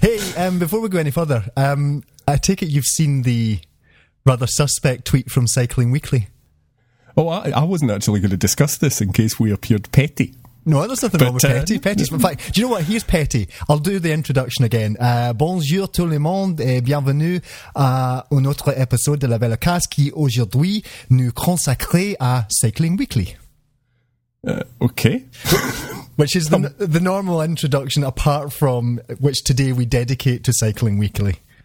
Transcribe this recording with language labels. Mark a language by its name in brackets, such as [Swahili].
[English] Hey, before we go any further, I take it you've seen the rather suspect tweet from Cycling Weekly. Oh, I wasn't actually going to discuss this in case we appeared petty. No, there's nothing wrong with petty. Petty's in fact, do you know what? Here's petty. I'll do the introduction again. [French] Bonjour tout le monde et bienvenue à un autre épisode de la VeloCast qui aujourd'hui nous consacre à Cycling Weekly. [English] Okay. Which is the normal introduction apart from which today we dedicate to Cycling Weekly.